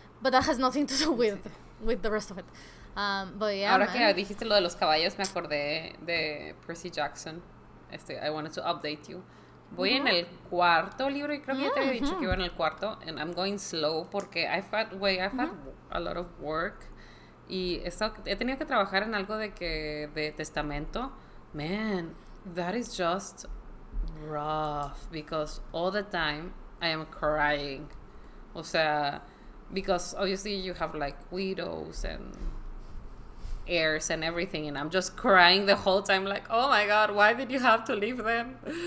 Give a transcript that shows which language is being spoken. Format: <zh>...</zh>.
<en>But that has nothing to do with the rest of it. Yeah,</en> <es>ahora,</es> <en>man,</en> <es>que dijiste lo de los caballos, me acordé de Percy Jackson.</es> <en>I wanted to update you.</en> <es>Voy en el cuarto libro, y creo que ya te había dicho que iba en el cuarto.</es> <en>And I'm going slow porque I've had a lot of work.</en> <es>Y he tenido que trabajar en algo de testamento.</es> <en>Man, that is just rough, because all the time I am crying. O sea, because obviously you have like widows and heirs and everything, and I'm just crying the whole time, like, oh my god, why did you have to leave them?</en>